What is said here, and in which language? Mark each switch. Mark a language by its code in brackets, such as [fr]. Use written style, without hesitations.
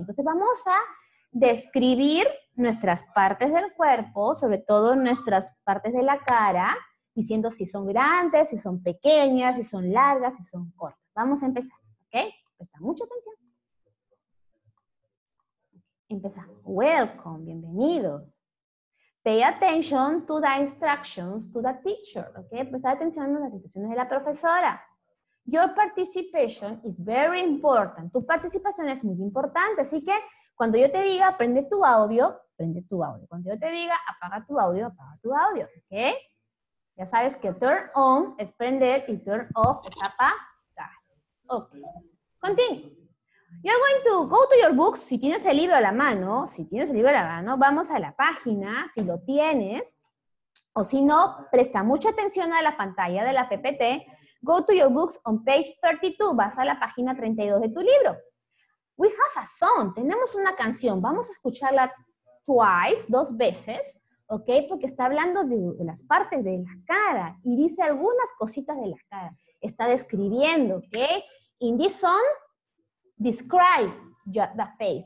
[es] Entonces vamos a describir nuestras partes del cuerpo, sobre todo nuestras partes de la cara, diciendo si son grandes, si son pequeñas, si son largas, si son cortas. Vamos a empezar, ¿ok? Presta mucha atención. Empezamos. [en] Welcome, [es] bienvenidos. [en] Pay attention to the instructions to the teacher, ¿ok? [es] Presta atención a las instrucciones de la profesora. [en] Your participation is very important. [es] Tu participación es muy importante, así que cuando yo te diga, prende tu audio, prende tu audio. Cuando yo te diga, apaga tu audio, ¿ok? Ya sabes que turn on es prender y turn off es apagar. Ok. [en] Continue. You're going to go to your books. [es] Si tienes el libro a la mano, vamos a la página, si lo tienes. O si no, presta mucha atención a la pantalla de la PPT. [en] Go to your books on page 32. [es] Vas a la página 32 de tu libro. [en] We have a song. [es] Tenemos una canción. Vamos a escucharla twice, dos veces. ¿Ok? Porque está hablando de las partes de la cara y dice algunas cositas de la cara. Está describiendo, ¿ok? [en] In this song, describe the face.